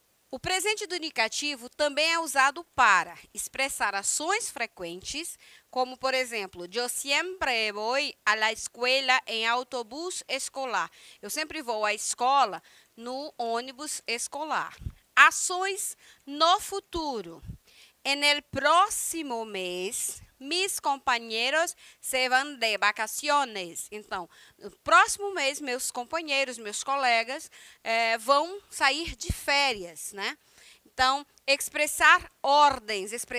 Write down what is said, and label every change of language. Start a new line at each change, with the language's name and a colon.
Portuguese: O presente do indicativo também é usado para expressar ações frequentes, como, por exemplo,
Spanish: yo siempre voy a la escuela en autobús escolar.
Portuguese: Eu sempre vou à escola no ônibus escolar. Ações no futuro.
Spanish: En el próximo mês, mis compañeros se van de vacaciones.
Portuguese: Então, no próximo mês, meus companheiros, meus colegas, vão sair de férias, né? Então, expressar ordens.